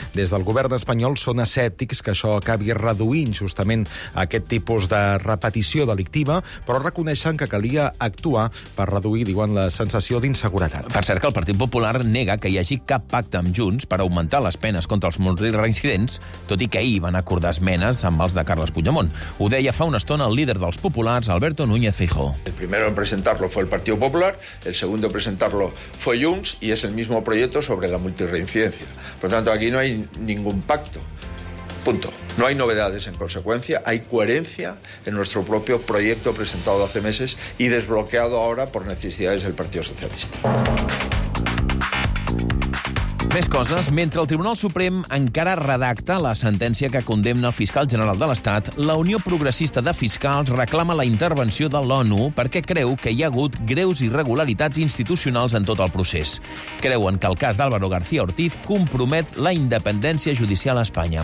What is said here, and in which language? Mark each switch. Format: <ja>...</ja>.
<ca>Des del govern espanyol són escèptics que això acabi reduint justament aquest tipus de repetició delictiva, però reconeixen que calia actuar per reduir, diuen, la sensació d'inseguretat. Per cert, que el Partit Popular nega que hi hagi cap pacte amb Junts per augmentar les penes contra els multireincidents, tot i que ahir van acordar esmenes amb els de Carles Puigdemont. Ho deia fa una estona el líder dels populars, Alberto Núñez Feijóo.</ca> <es>El primero en presentarlo fue el Partido Popular, el segundo segundo presentarlo fue Junts y es el mismo proyecto sobre la multirreincidencia. Por lo tanto, aquí no hay ningún pacto. Punto. No hay novedades en consecuencia, hay coherencia en nuestro propio proyecto presentado hace meses y desbloqueado ahora por necesidades del Partido Socialista.</es> <ca>Més coses. Mentre el Tribunal Suprem encara redacta la sentència que condemna el fiscal general de l'Estat, la Unió Progressista de Fiscals reclama la intervenció de l'ONU perquè creu que hi ha hagut greus irregularitats institucionals en tot el procés. Creuen que el cas d'Álvaro García Ortiz compromet la independència judicial a Espanya.</ca>